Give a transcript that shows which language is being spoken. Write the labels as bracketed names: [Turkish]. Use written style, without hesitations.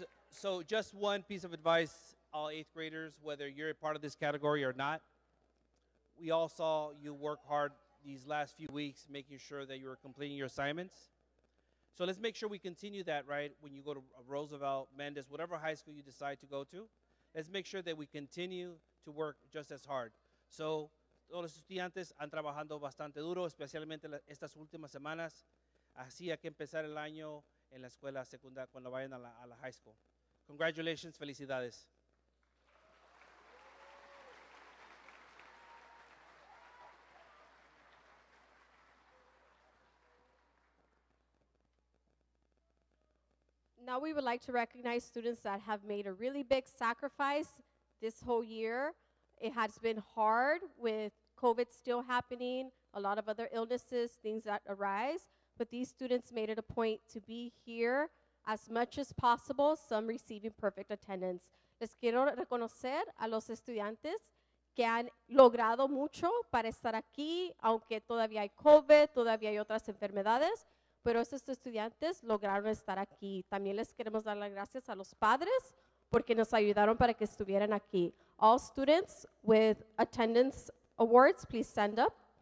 [English] So just one piece of advice, all eighth graders, whether you're a part of this category or not, we all saw you work hard these last few weeks making sure that you were completing your assignments. So let's make sure we continue that, right, when you go to Roosevelt, Mendez, whatever high school you decide to go to, let's make sure that we continue to work just as hard. [Spanish] So todos los estudiantes han trabajando bastante duro, especialmente estas últimas semanas. Así hay que empezar el año en la escuela secundaria cuando vayan a la high school. [English] Congratulations, felicidades. Now we would like to recognize students that have made a really big sacrifice this whole year. It has been hard with COVID still happening, a lot of other illnesses, things that arise, but these students made it a point to be here as much as possible, some receiving perfect attendance. [Spanish] Les quiero reconocer a los estudiantes que han logrado mucho para estar aquí, aunque todavía hay COVID, todavía hay otras enfermedades, Pero estos estudiantes lograron estar aquí. También les queremos dar las gracias a los padres porque nos ayudaron para que estuvieran aquí. [English] All students with attendance awards, please stand up.